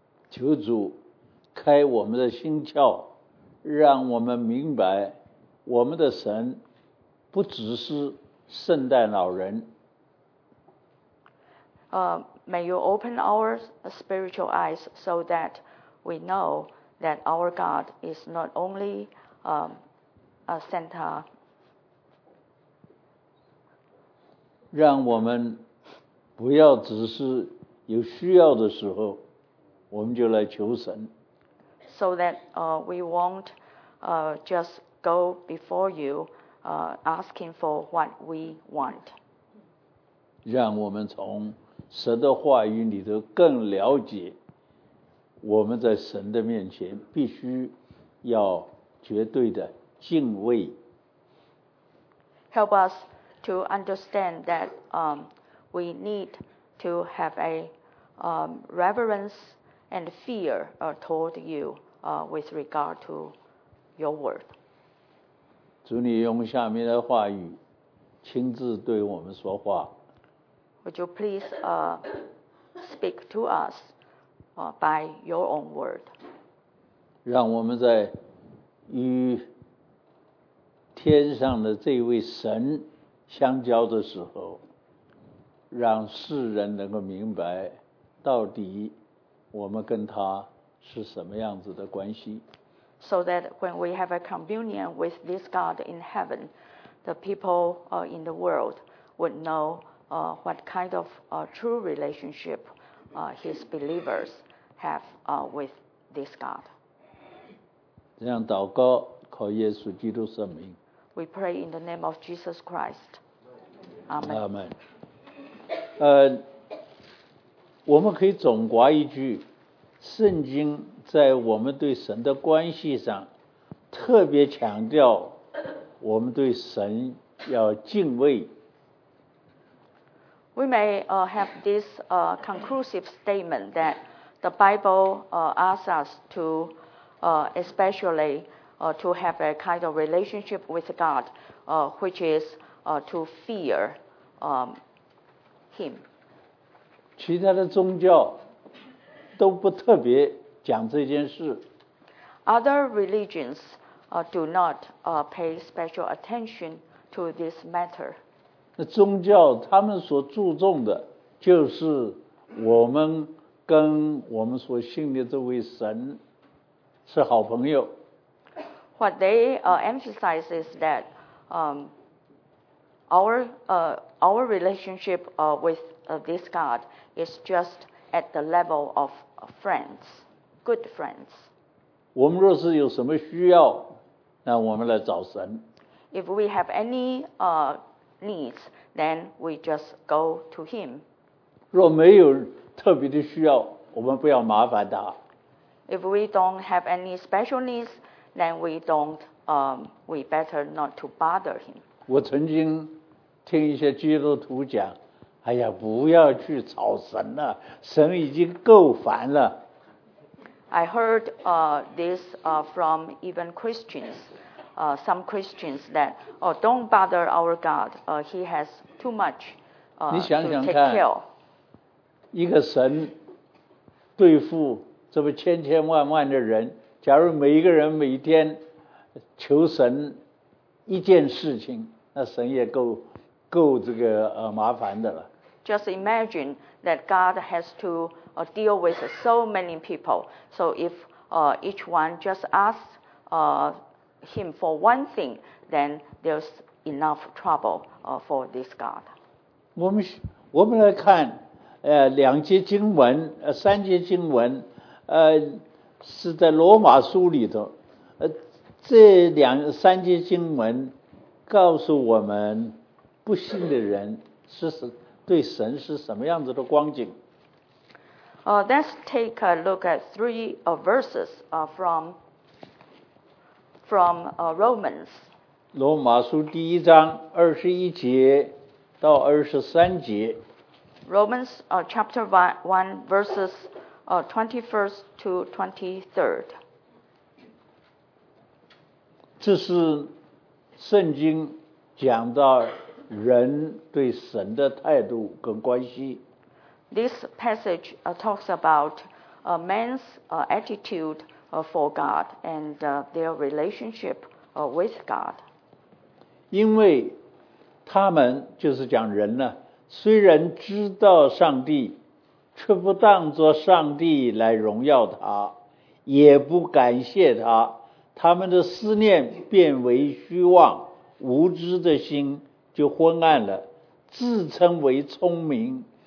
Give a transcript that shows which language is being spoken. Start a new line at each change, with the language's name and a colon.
Chinese: 求主开我们的心窍，让我们明白我们的神不只是圣诞老人。
English: May you open our spiritual eyes so that we know that our God is not only a Santa.
Chinese: 让我们不要只是有需要的时候我们就来求神。
English: So that we won't just go before you asking for what we want.
Chinese: 让我们从神的话语里头更了解我们在神的面前必须要绝对的敬畏。
English: Help us to understand that we need to have a reverence and fear toward you with regard to your word.
Chinese: 主，你用下面的话语亲自对我们说话。
English: Would you please speak to us by your own word?
Chinese: 让我们在与天上的这位神相交的时候，让世人能够明白到底我们跟他是什么样子的关系。
English: So that when we have a communion with this God in heaven, the people in the world would know what kind of true relationship his believers have with this God.
Chinese: 这样祷告，靠耶稣基督圣名。
English: We pray in the name of Jesus Christ. Amen. Amen.
Chinese: 我们可以总括一句，圣经在我们对神的关系上特别强调我们对神要敬畏。
English: We may have this conclusive statement that the Bible asks us to especially to have a kind of relationship with God, which is to fear Him.
Chinese: 其他的宗教都不特别讲这件事。
English: Other religions do not pay special attention to this matter.
Chinese: 那宗教他们所注重的就是我们跟我们所信的这位神是好朋友。
English: What they emphasize is that our relationship with this God is just at the level of friends, good friends.
Chinese: 我们若是有什么需要，那我们来找神。
English: If we have any needs, then we just go to Him.
Chinese: 若没有特别的需要，我们不要麻烦他。
English: If we don't have any special needs, then we don't, we better not to bother him.
Chinese: 我曾经听一些基督徒讲，哎呀，不要去吵神了，神已经够烦了。
English: I heard this from even Christians, some Christians that, oh, don't bother our God, he has too much to take care.
Chinese: 你想想看，一个神对付这么千千万万的人，假如每一个人每天求神一件事情，那神也够这个麻烦的了。
English: Just imagine that God has to deal with so many people. So if each one just asks him for one thing, then there's enough trouble for this God.
Chinese: 我们来看两节经文三节经文是在罗马书里头这两三节经文告诉我们不信的人是对神是什么样子的光景。
English: Let's take a look at three verses from Romans.
Chinese: 罗马书第一章二十一节到二十三节。
English: Romans chapter 1 verses 21st to 23rd.
Chinese: 这是圣经讲到人对神的态度跟关系。
English: This passage talks about man's attitude for God and their relationship with God.
Chinese: 因为他们就是讲人呢，虽然知道上帝，却不当作上帝来荣耀他，也不感谢他，他们的思念变为虚妄，无知的心就昏暗了，自称为聪明，